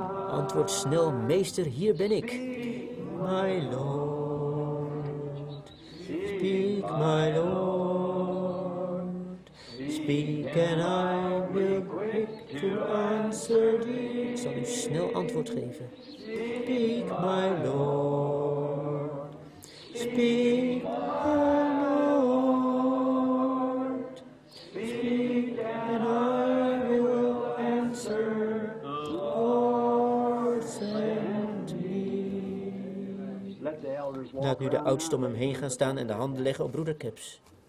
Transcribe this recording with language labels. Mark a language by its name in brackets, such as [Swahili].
[Dutch] Antwoord snel, meester, hier ben ik. [English] My Lord, speak, my Lord, speak and I will quick to answer thee. [Dutch] Ik zal u snel antwoord geven. [English] Speak, my Lord, speak, my Lord, speak, and I will answer, Lord, send me. [Dutch] Laat nu de oudsten om hem heen gaan staan en de handen leggen op broeder Caps.